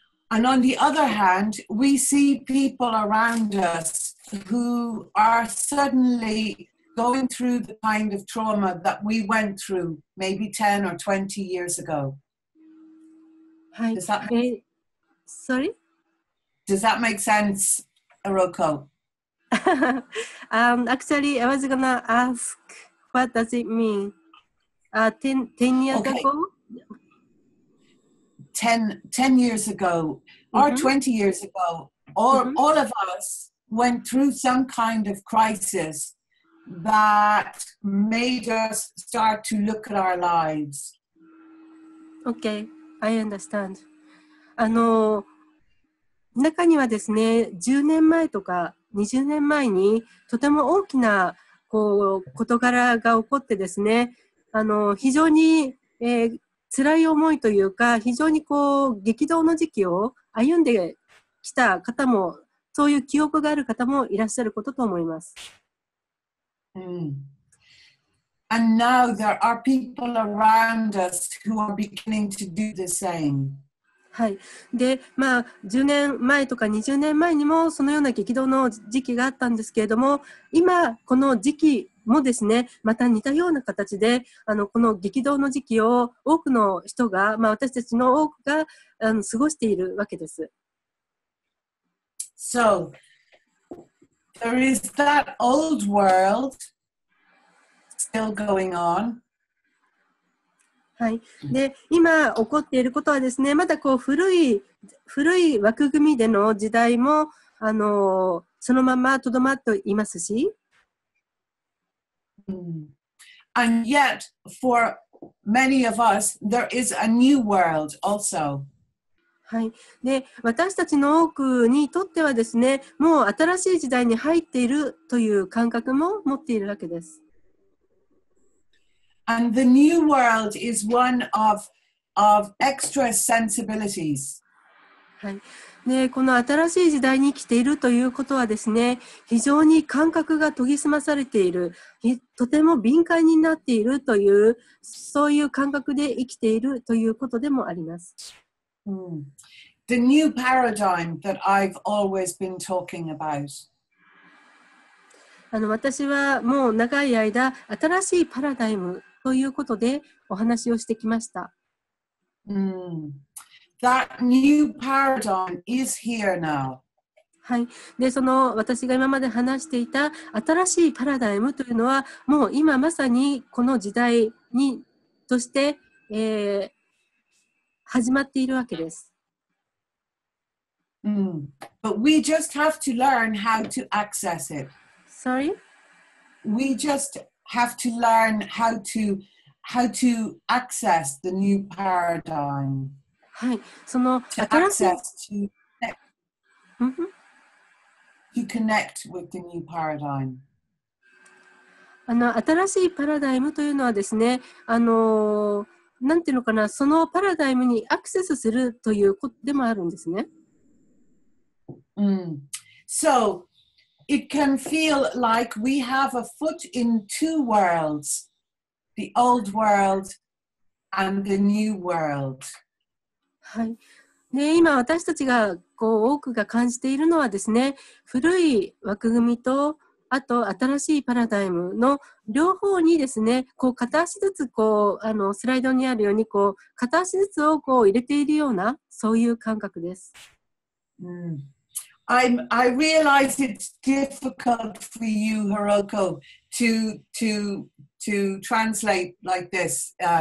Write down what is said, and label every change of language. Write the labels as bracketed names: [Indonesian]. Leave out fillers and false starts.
[English] And on the other hand, we see people around us who are suddenly going through the kind of trauma that we went through maybe 10 or 20 years ago. はい、Does that make sense? Sorry? Does that make sense, Aroko? actually, I was going to ask, what does it mean? 10 years okay. ago? 10 years ago, mm-hmm. or 20 years ago, or mm-hmm. all of us went through some kind of crisis that made us start to look at our lives. Okay, I understand. [Japanese] 中にはですね、10年前とか20年前にとても大きなこう事柄が起こってですね、非常に、辛い思いというか、非常にこう激動の時期を歩んできた方も、そういう記憶がある方もいらっしゃることと思います。 Mm. [English] And now there are people around us who are beginning to do the same. [Japanese] はい、で、まあ、10年前とか20年前にもそのような激動の時期があったんですけれども、今この時期もですね、また似たような形で、この激動の時期を多くの人が、まあ、私たちの多くが過ごしているわけです。 [English] So, there is that old world still going on. [Japanese] はい、で今起こっていることはですね、まだこう古い枠組みでの時代もそのままとどまっていますし、 [English] And yet, for many of us, there is a new world also. [Japanese] はい。で、私たちの多くにとってはですね、もう新しい時代に入っているという感覚も持っているわけです。 [English] And the new world is one of extra sensibilities. [Japanese] はい。で、この新しい時代に来ているということはですね、非常に感覚が研ぎ澄まされている、とても敏感になっているという、そういう感覚で生きているということでもあります。 Mm. [English] The new paradigm that I've always been talking about. [Japanese] 私はもう長い間、新しいパラダイムということでお話をしてきました。 [English] Mm. That new paradigm is here now. [Japanese] はい。で、その私が今まで話していた新しいパラダイムというのは、もう今まさにこの時代にとして、始まっているわけです。 Mm. [English] But we just have to learn how to access it. Sorry? We just have to learn how to access the new paradigm. [Japanese] はい。その新しい、 [English] to connect with the new paradigm. [Japanese] 新しいパラダイムというのはですね、なんていうのかな、そのパラダイムにアクセスするということでもあるんですね。 Mm. [English] So, it can feel like we have a foot in two worlds, the old world and the new world. [Japanese] はい。で、今私たちがこう多くが感じているのはですね、古い枠組みとあと新しいパラダイムの両方にですね、こう片足ずつこうスライドにあるようにこう片足ずつをこう入れているようなそういう感覚です。 Mm. [English] I realize it's difficult for you, Hiroko, to translate like this.